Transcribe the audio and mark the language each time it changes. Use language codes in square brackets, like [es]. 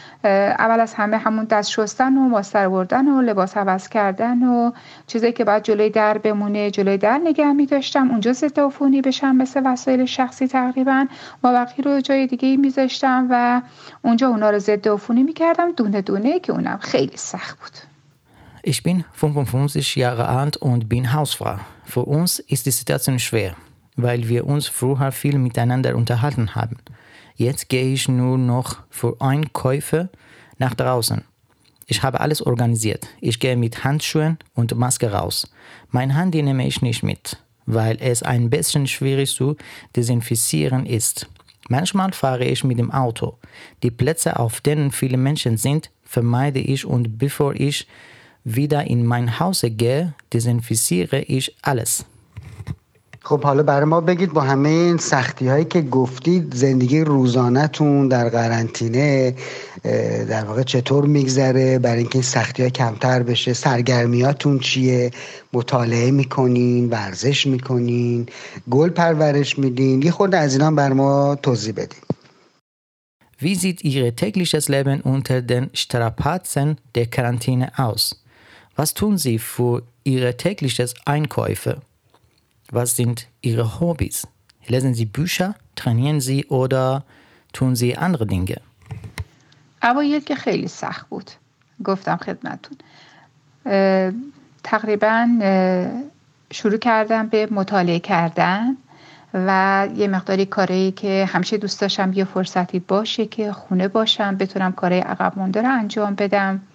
[fa] اول از همه همون دست شستن و ماستر بردن و لباس عوض کردن و چیزایی که باید جلوی در بمونه جلوی در نگه میداشتم، اونجا ضد عفونی بشم، مثل وسایل شخصی تقریبا مابقی رو جای دیگه میذاشتم و اونجا اونا رو ضد عفونی میکردم دونه دونه، که اونم خیلی سخت بود. [de] Ich bin 55 Jahre alt und bin Hausfrau. Für uns ist die Situation schwer, weil wir uns früher viel miteinander unterhalten haben. Jetzt gehe ich nur noch für Einkäufe nach draußen. Ich habe alles organisiert. Ich gehe mit Handschuhen und Maske raus. Mein Handy nehme ich nicht mit, weil es ein bisschen schwierig zu desinfizieren ist. Manchmal fahre ich mit dem Auto. Die Plätze, auf denen viele Menschen sind, vermeide ich, und bevor ich wieder in mein Haus gehe, desinfiziere ich alles. [fa] خب حالا برای ما بگید با همه این سختی هایی که گفتید، زندگی روزانه تون در قرنطینه در واقع چطور میگذره، برای اینکه این سختی ها کمتر بشه. سرگرمیاتون چیه؟ مطالعه میکنین؟ ورزش میکنین؟ گل پرورش میدین؟ یه خورده از اینا برای ما توضیح بدید. [de] Wie sieht Ihr tägliches Leben unter den Strapazen der Quarantäne aus? Was tun Sie für Ihre tägliches Einkäufe? Was sind Ihre Hobbys? Lesen Sie Bücher, trainieren Sie oder tun Sie andere Dinge? Aber jetzt geht es sehr schwer. [fa] Gut, گفتم خدمتتون. تقریبا شروع کردم به مطالعه کردن و یه مقداری کاری که همیشه دوست داشتم یه فرصتی باشه که خونه باشم، بتونم کارهای عقب مونده رو انجام بدم.